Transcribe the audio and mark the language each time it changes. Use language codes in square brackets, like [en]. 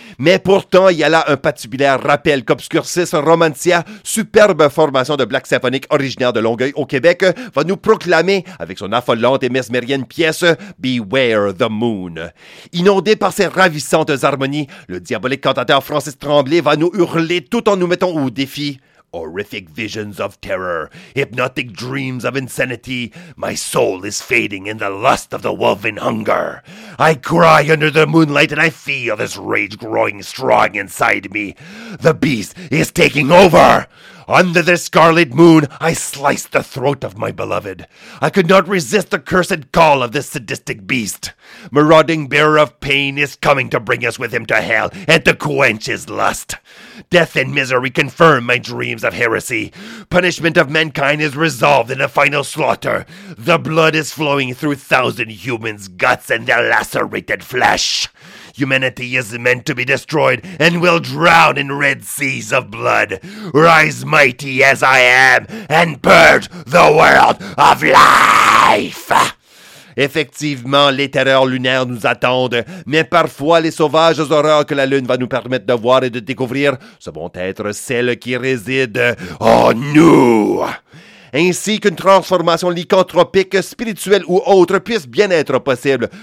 [fr] Mais pourtant, il y a là un patibulaire rappel qu'Obscurcis Romantia, superbe formation de black symphonique originaire de Longueuil au Québec, va nous proclamer, avec son affolante et mesmérienne pièce « Beware the Moon ». Inondé par ses ravissantes harmonies, le diabolique cantateur Francis Tremblay va nous hurler tout en nous mettant au défi. [en] Horrific visions of terror, hypnotic dreams of insanity, my soul is fading in the lust of the wolf in hunger. I cry under the moonlight and I feel this rage growing strong inside me. The beast is taking over! Under the scarlet moon, I sliced the throat of my beloved. I could not resist the cursed call of this sadistic beast. Marauding bearer of pain is coming to bring us with him to hell and to quench his lust. Death and misery confirm my dreams of heresy. Punishment of mankind is resolved in a final slaughter. The blood is flowing through 1,000 humans' guts and their lacerated flesh. Humanity is meant to be destroyed and will drown in red seas of blood. Rise mighty as I am and purge the world of life! [fr] Effectivement, les terreurs lunaires nous attendent, mais parfois les sauvages horreurs que la lune va nous permettre de voir et de découvrir seront être celles qui résident en nous! Ainsi qu'une transformation lycanthropique, spirituelle ou autre puisse bien être possible.